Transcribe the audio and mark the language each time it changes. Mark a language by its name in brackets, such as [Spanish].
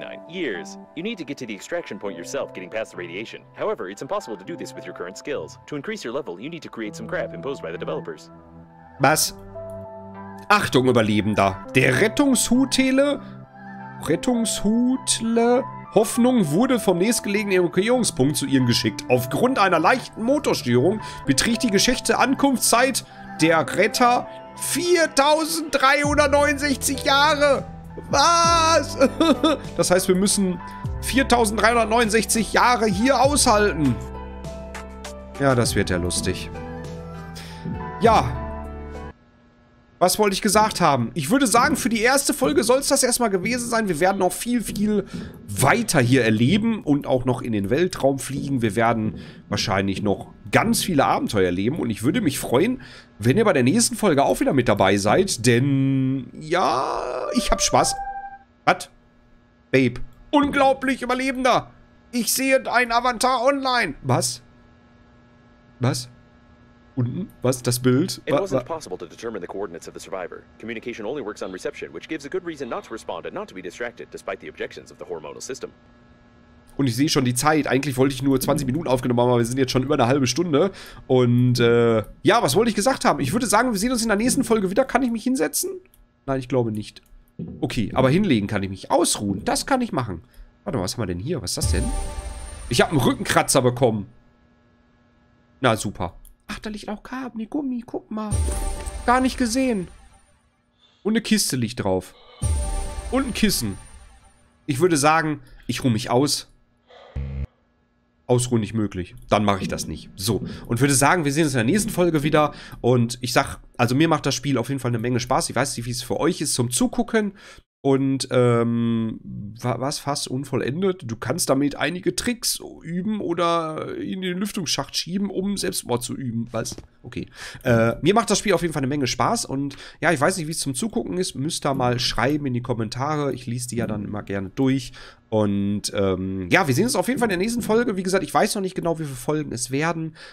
[English] You need to get to the extraction point yourself, getting past the radiation. However, it's impossible to do this with your current skills. To increase your level, you need to create some crap imposed by the developers. [German] Was? Achtung, Überlebender. Der Rettungshut Tele Rettungshutle Hoffnung wurde vom nächstgelegenen Evakuierungspunkt zu ihrem geschickt. Aufgrund einer leichten Motorstörung beträgt die geschätzte Ankunftszeit der Retter 4369 Jahre. Was? Das heißt, wir müssen 4369 Jahre hier aushalten. Ja, das wird ja lustig. Ja. Was wollte ich gesagt haben? Ich würde sagen, für die erste Folge soll es das erstmal gewesen sein. Wir werden noch viel, viel weiter hier erleben und auch noch in den Weltraum fliegen. Wir werden wahrscheinlich noch ganz viele Abenteuer erleben. Und ich würde mich freuen, wenn ihr bei der nächsten Folge auch wieder mit dabei seid. Denn, ja, ich hab Spaß. Was? Babe. Unglaublich, Überlebender. Ich sehe deinen Avatar online. Was? Was? Unten? Was? Das Bild? [English] It wasn't possible to determine the coordinates of the survivor. Communication only works on reception, which gives a good reason not to respond and not to be distracted, despite the objections of the hormonal system. [German] Und ich sehe schon die Zeit. Eigentlich wollte ich nur 20 Minuten aufgenommen haben, aber wir sind jetzt schon über eine halbe Stunde. Und ja, was wollte ich gesagt haben? Ich würde sagen, wir sehen uns in der nächsten Folge wieder. Kann ich mich hinsetzen? Nein, ich glaube nicht. Okay, aber hinlegen kann ich mich. Ausruhen, das kann ich machen. Warte mal, was haben wir denn hier? Was ist das denn? Ich habe einen Rückenkratzer bekommen. Na, super. Ach, da liegt auch Kabel, nee, Gummi, guck mal. Gar nicht gesehen. Und eine Kiste liegt drauf. Und ein Kissen. Ich würde sagen, ich ruhe mich aus. Ausruhen nicht möglich. Dann mache ich das nicht. So, und würde sagen, wir sehen uns in der nächsten Folge wieder. Und ich sag, also mir macht das Spiel auf jeden Fall eine Menge Spaß. Ich weiß nicht, wie es für euch ist zum Zugucken. Und, was fast unvollendet? Du kannst damit einige Tricks üben oder in den Lüftungsschacht schieben, um Selbstmord zu üben. Was? Okay. Mir macht das Spiel auf jeden Fall eine Menge Spaß. Und ja, ich weiß nicht, wie es zum Zugucken ist. Müsst ihr mal schreiben in die Kommentare. Ich lese die ja dann immer gerne durch. Und, ja, wir sehen uns auf jeden Fall in der nächsten Folge. Wie gesagt, ich weiß noch nicht genau, wie viele Folgen es werden.